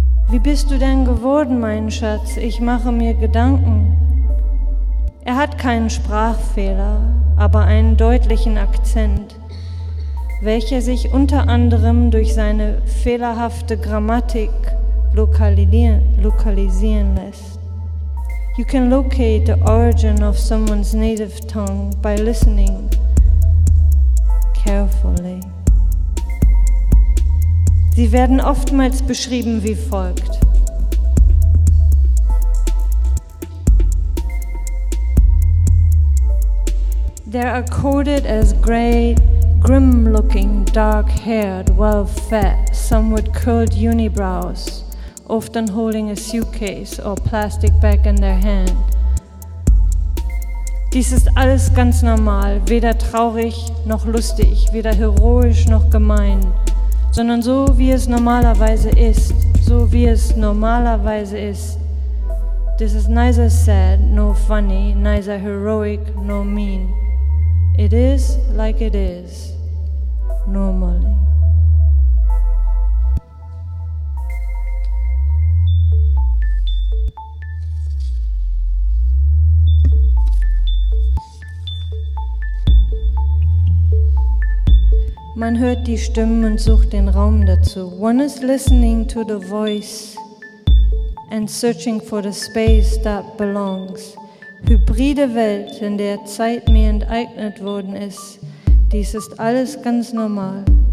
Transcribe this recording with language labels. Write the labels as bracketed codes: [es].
[de] Wie bist du denn geworden, mein Schatz? Ich mache mir Gedanken. Er hat keinen Sprachfehler, aber einen deutlichen Akzent, welcher sich unter anderem durch seine fehlerhafte Grammatik lokalisieren lässt. [en] You can locate the origin of someone's native tongue by listening carefully. [de] Sie werden oftmals beschrieben wie folgt. [en] They are coded as gray, grim-looking, dark-haired, well-fed, somewhat curled unibrows, often holding a suitcase or plastic bag in their hand. [de] Dies ist alles ganz normal, weder traurig noch lustig, weder heroisch noch gemein, sondern so, wie es normalerweise ist, so wie es normalerweise ist. [en] This is neither sad nor funny, neither heroic nor mean. It is like it is, normally. [de] Man hört die Stimmen und sucht den Raum dazu. [en] One is listening to the voice and searching for the space that belongs. [de] Hybride Welt, in der Zeit mir enteignet worden ist. Dies ist alles ganz normal.